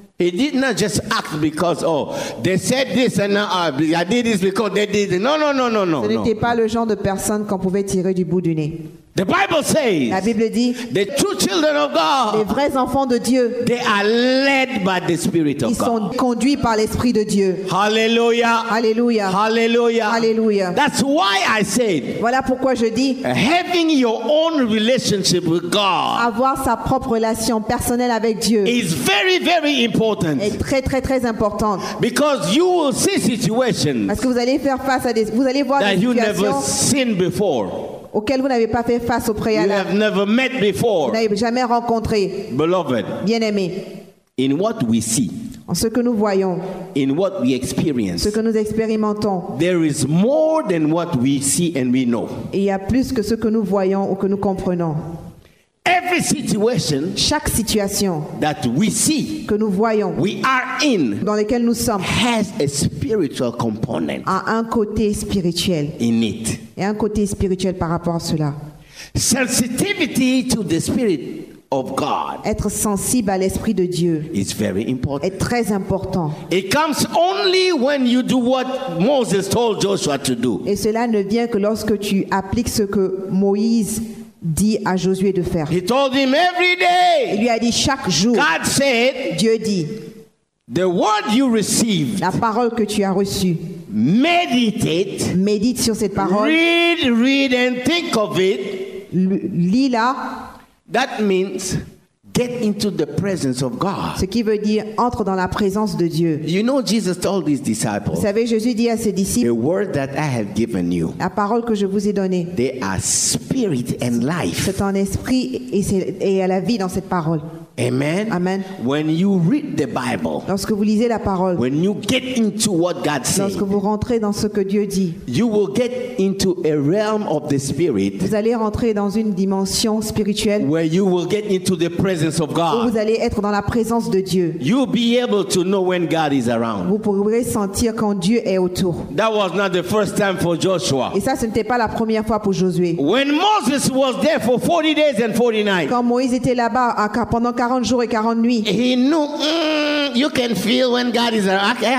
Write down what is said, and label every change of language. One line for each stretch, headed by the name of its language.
English: He did not just act because oh they said this and now I did this because they did it. No.
French: Ce n'était pas le genre de personne qu'on pouvait tirer du bout du nez.
English: The Bible says.
French: La Bible dit.
English: The true children of God.
French: Les vrais enfants de Dieu.
English: They are led by the Spirit of God.
French: Ils sont conduits par l'Esprit de Dieu.
English: Hallelujah.
French: Hallelujah.
English: Hallelujah.
French: Hallelujah.
English: That's why I said.
French: Voilà pourquoi je dis.
English: Having your own relationship with God.
French: Avoir sa propre relation personnelle avec Dieu.
English: Is very very important.
French: Est très très très important.
English: Because you will see situations.
French: Parce que vous allez faire face à des. Vous allez voir des situations.
English: That you never seen before.
French: Auquel vous n'avez pas fait face au préalable.
English: You have never met before.
French: Vous n'avez jamais rencontré.
English: Beloved.
French: Bien-aimé.
English: In what we see.
French: En ce que nous voyons.
English: In what we experience.
French: Ce que nous expérimentons.
English: There is more than what we see and we know.
French: Il y a plus que ce que nous voyons ou que nous comprenons.
English: Every situation.
French: Chaque situation.
English: That we see.
French: Que nous voyons.
English: We are in.
French: Dans lesquelles nous sommes.
English: Has a spiritual component.
French: A un côté spirituel.
English: In it.
French: Et un côté spirituel par rapport à cela.
English: Sensitivity to the Spirit of God.
French: Être sensible à l'Esprit de Dieu.
English: Is very important.
French: Est très important.
English: It comes only when you do what Moses told Joshua to do.
French: Et cela ne vient que lorsque tu appliques ce que Moïse dit à Josué de faire.
English: He told him every day.
French: Il lui a dit chaque jour.
English: God said.
French: Dieu dit.
English: The word you received.
French: La parole que tu as reçue.
English: Meditate.
French: Médite sur cette parole.
English: Read and think of it.
French: Lis-la.
English: That means Get into the presence of God.
French: Ce qui veut dire entre dans la présence de Dieu.
English: You know, Jesus told his disciples.
French: Vous savez, Jésus dit à ses disciples.
English: The word that I have given you.
French: La parole que je vous ai donnée.
English: They are spirit and life.
French: C'est un esprit et il y a la vie dans cette parole.
English: Amen.
French: Amen.
English: When you read the Bible.
French: Lorsque vous lisez la parole.
English: When you get into what God says.
French: Lorsque vous rentrez dans ce que Dieu dit.
English: You will get into a realm of the spirit.
French: Vous allez rentrer dans une dimension spirituelle.
English: Where you will get into the presence of God.
French: Où vous allez être dans la présence de Dieu.
English: You'll be able to know when God is around.
French: Vous pourrez sentir quand Dieu est autour.
English: That was not the first time for Joshua.
French: Et ça, ce n'était pas la première fois pour Josué.
English: When Moses was there for 40 days and 40 nights.
French: Quand Moïse était là-bas pendant 40 jours et 40 nuits.
English: He knew, you can feel when God is around.